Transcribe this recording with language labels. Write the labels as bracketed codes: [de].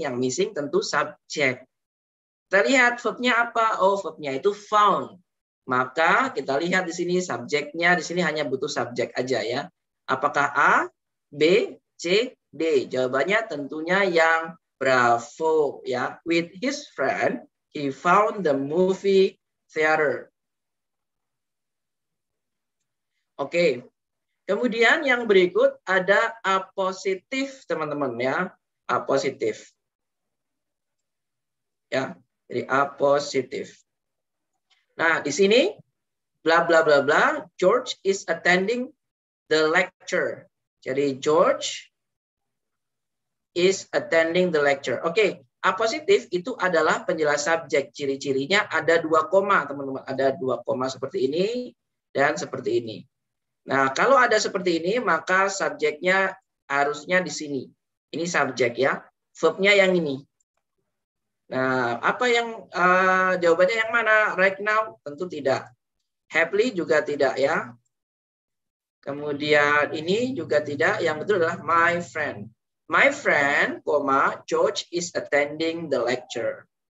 [id] Yang missing tentu subjek. Kita lihat verb-nya apa? Oh, verb-nya itu found. Maka kita lihat di sini subjeknya, di sini hanya butuh subjek aja, ya. Apakah A, B, C, D? Jawabannya tentunya yang bravo, ya. [en] With his friend, he found the movie theater. [id] Oke. Kemudian yang berikut ada A positif, teman-teman, ya. A positif. Ya, jadi A positif. Nah, di sini bla bla bla bla, [en] George is attending the lecture. Jadi George is attending the lecture. Oke, okay. [id] A positif itu adalah penjelas subjek. Ciri-cirinya ada dua koma, teman-teman. Ada dua koma seperti ini dan seperti ini. Nah, kalau ada seperti ini, maka subjeknya harusnya di sini. Ini subjek, ya. Verbnya yang ini. Nah, apa yang jawabannya yang mana? [en] Right now [id] tentu tidak. Happily juga tidak, ya. Kemudian ini juga tidak. Yang betul adalah [en] my friend. My friend, comma, George is attending the lecture.